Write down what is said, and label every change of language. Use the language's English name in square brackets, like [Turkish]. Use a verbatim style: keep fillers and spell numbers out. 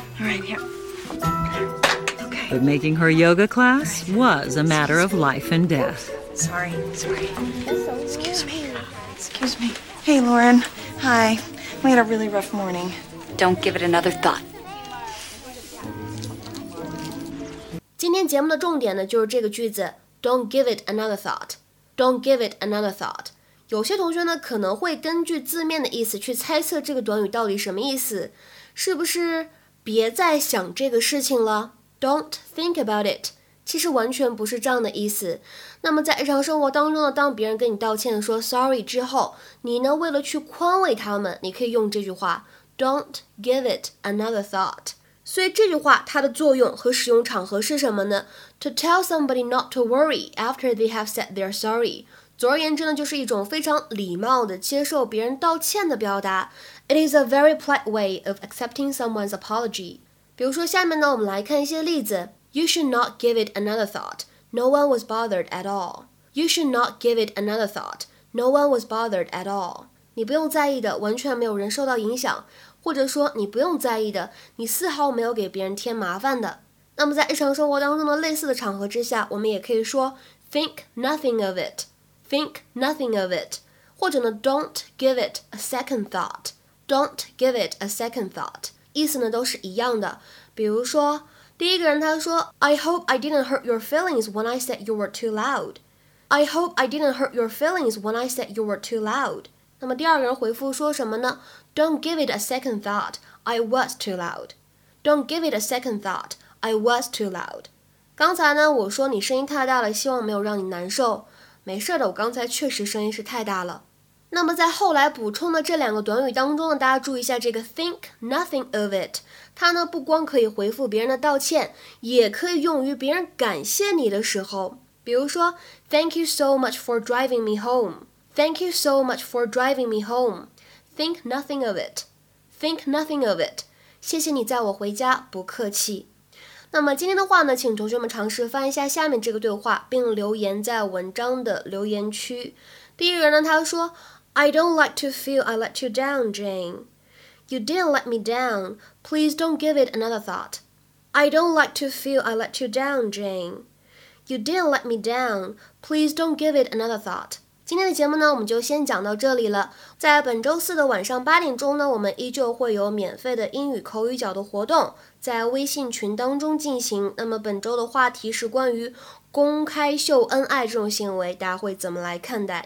[English] All right, here. Okay. But making her yoga class was a matter of life and death. Sorry, sorry. Excuse me. Excuse me. Hey, Lauren. Hi. We had a really rough morning. Don't give it another thought. [Chinese] 今天节目的重点呢，就是这个句子 [English] Don't give it another thought。 Don't give it another thought。 [Chinese] 有些同学呢可能会根据字面的意思去猜测这个短语到底什么意思，是不是别再想这个事情了， [English] Don't think about it。 [Chinese] 其实完全不是这样的意思。那么在日常生活当中呢，当别人跟你道歉说 sorry 之后，你呢为了去宽慰他们，你可以用这句话 [English] Don't give it another thought。 [Chinese] 所以这句话它的作用和使用场合是什么呢？ [English] To tell somebody not to worry after they have said they're sorry。 [Chinese] 总而言之呢，就是一种非常礼貌的接受别人道歉的表达。 [English] It is a very polite way of accepting someone's apology。 [Chinese] 比如说下面呢，我们来看一些例子。 [English] You should not give it another thought. No one was bothered at all. You should not give it another thought. No one was bothered at all. [Chinese] 你不用在意的，完全没有人受到影响。或者说你不用在意的，你丝毫没有给别人添麻烦的。那么在日常生活当中的类似的场合之下，我们也可以说 [English] think nothing of it, [Chinese] think nothing of it， 或者呢 [English] don't give it a second thought, [Chinese] don't give it a second thought， 意思呢都是一样的。比如说第一个人他说 [English] I hope I didn't hurt your feelings when I said you were too loud. I hope I didn't hurt your feelings when I said you were too loud。 [Chinese] 那么第二个人回复说什么呢？ [English] Don't give it a second thought, I was too loud. Don't give it a second thought. I was too loud。 [Chinese] 刚才呢我说你声音太大了，希望没有让你难受。没事的，我刚才确实声音是太大了。那么在后来补充的这两个短语当中呢，大家注意一下这个 [English] think nothing of it， [Chinese] 它呢不光可以回复别人的道歉，也可以用于别人感谢你的时候。比如说 [English] Thank you so much for driving me home. Thank you so much for driving me home. Think nothing of it. Think nothing of it. [Chinese] 谢谢你载我回家，不客气。那么今天的话呢，请同学们尝试翻译一下下面这个对话，并留言在文章的留言区。第一个人呢，他说 [English] I don't like to feel I let you down, Jane. You didn't let me down. Please don't give it another thought. I don't like to feel I let you down, Jane. You didn't let me down. Please don't give it another thought. [Chinese] 今天的节目呢，我们就先讲到这里了。在本周四的晚上八点钟呢，我们依旧会有免费的英语口语角的活动，在微信群当中进行。那么本周的话题是关于公开秀恩爱这种行为，大家会怎么来看待？